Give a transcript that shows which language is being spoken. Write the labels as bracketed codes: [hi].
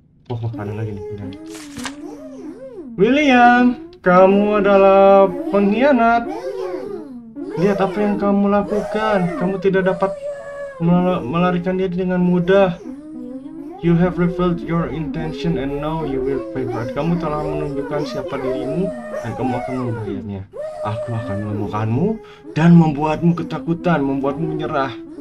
[id] Oh, ada lagi nih. Ada. William, kamu adalah pengkhianat. Lihat apa yang kamu lakukan. Kamu tidak dapat melarikan diri dengan mudah. [en] You have revealed your intention and now you will pay for it. [id] Kamu telah menunjukkan siapa dirimu dan kamu akan membayarnya. Aku akan menemukanmu dan membuatmu ketakutan, membuatmu menyerah.